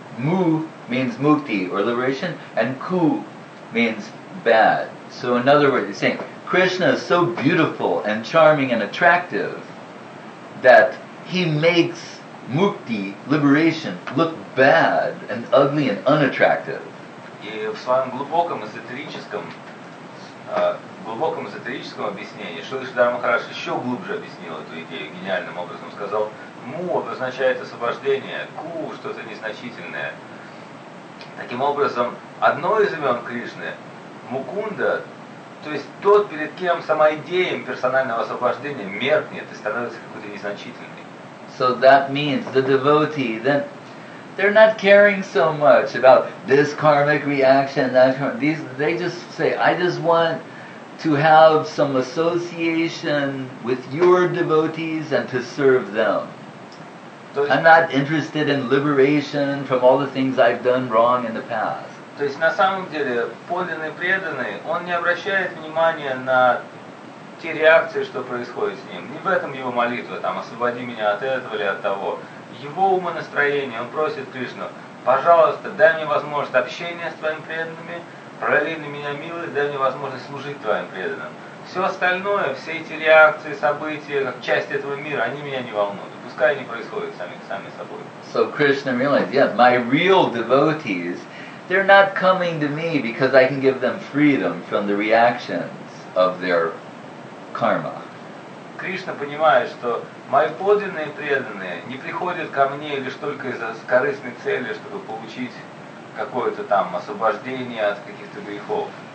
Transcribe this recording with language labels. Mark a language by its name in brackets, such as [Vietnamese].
[English] Mu means mukti or liberation, and ku means bad. So in other words, he's saying Krishna is so beautiful and charming and attractive that he makes mukti, liberation, look bad and ugly and unattractive. [Russian] И в своем глубоком эзотерическом объяснении Шри Сидхарта Махараш еще глубже объяснил эту идею гениальным образом, сказал. Му обозначает освобождение, ку – что-то незначительное. Таким образом, одно из имен Кришны – Мукунда, то есть тот, перед кем сама идея персонального освобождения меркнет и становится какой-то незначительной. [English] So that means the devotee, then, they're not caring so much about this karmic reaction, that karmic reaction. They just say, I just want to have some association with your devotees and to serve them. I'm not interested in liberation from all the things I've done wrong in the past. [Russian] То есть на самом деле подлинный преданный, он не обращает внимания на те реакции, что происходит с ним. Не в этом его молитва, там, освободи меня от этого или от того. Его умонастроение, он просит Кришну, пожалуйста, дай мне возможность общения с твоими преданными, проли на меня милость, дай мне возможность служить твоим преданным. Все остальное, все эти реакции, события, как часть этого мира, они меня не волнуют. Пускай они происходят сами собой. [English] So Krishna realized, yeah, my real devotees, they're not coming to me because I can give them freedom from the reactions of their karma. [Russian] Кришна понимает, что мои подлинные преданные не приходят ко мне лишь только из-за корыстной цели, чтобы получить какое-то там освобождение от каких-то грехов.